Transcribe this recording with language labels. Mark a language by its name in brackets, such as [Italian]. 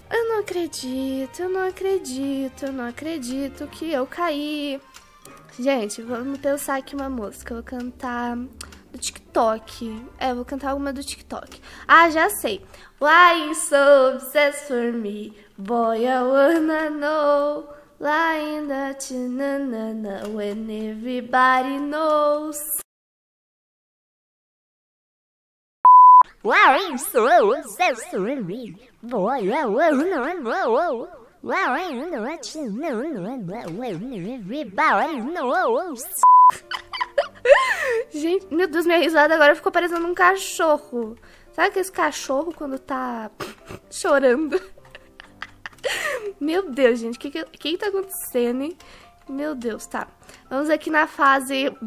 [Portuguese] Eu não acredito, eu não acredito, eu não acredito que eu caí. Gente, vamos pensar aqui uma música. Eu vou cantar do TikTok. É, eu vou cantar alguma do TikTok. Ah, já sei. [English] Why you so obsessed for me? Boy, I wanna know. Lying that na na na when everybody knows. Why you so obsessed with me? Boy, I wanna know. Why you so obsessed with me? When everybody knows. [Portuguese] Gente, meu Deus, minha risada agora ficou parecendo um cachorro. Sabe aquele cachorro quando tá chorando? Meu Deus, gente, que tá acontecendo, hein? Meu Deus, tá. Vamos aqui na fase...